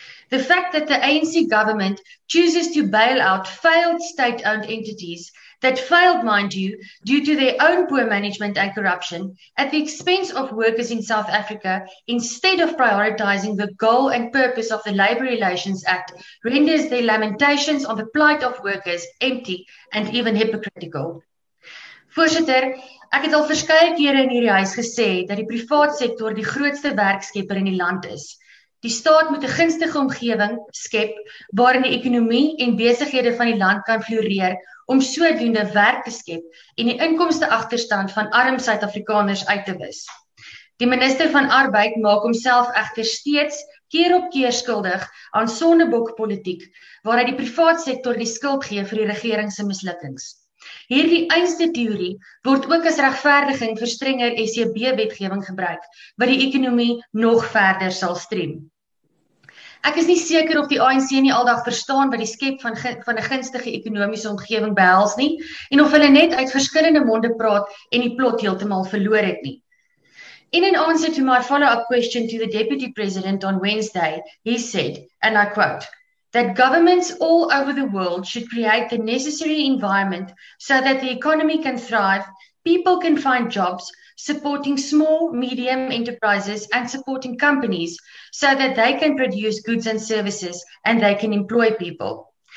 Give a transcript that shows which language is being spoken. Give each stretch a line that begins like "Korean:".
English: The fact that the ANC government chooses to bail out failed state-owned entities that failed, mind you, due to their own poor management and corruption at the expense of workers in South Africa instead of prioritizing the goal and purpose of the Labor Relations Act renders their lamentations on the plight of workers empty and even hypocritical.
Afrikaans: Voorzitter, ek het al verskeie kere in hierdie huis gesê dat die private sektor die grootste werkskepper in die land is. Die staat moet 'n gunstige omgewing skep waarin die ekonomie en besighede van die land kan floreer om sodoende werk te skep en die inkomste agterstand van arm Suid-Afrikaners uit te wis. Die minister van Arbeid maak homself egter steeds keer op keer skuldig aan sondebokpolitiek waar hy die privaat sektor die skuld gee vir die regering se mislukkings. Hierdie eiste teorie word ook as regverdiging vir strenger SCB-wetgewing gebruik, wat die ekonomie nog verder sal strem. Ek is nie seker of die ANC nie aldag verstaan wat die skep van 'n gunstige ekonomiese omgewing behels nie, en of hulle net uit verskillende monde praat en die plot heeltemal verloor het nie.
English: In an answer to my follow-up question to the Deputy President on Wednesday, he said, and I quote, that governments all over the world should create the necessary environment so that the economy can thrive, people can find jobs, supporting small, medium enterprises and supporting companies so that they can produce goods and services and they can employ people.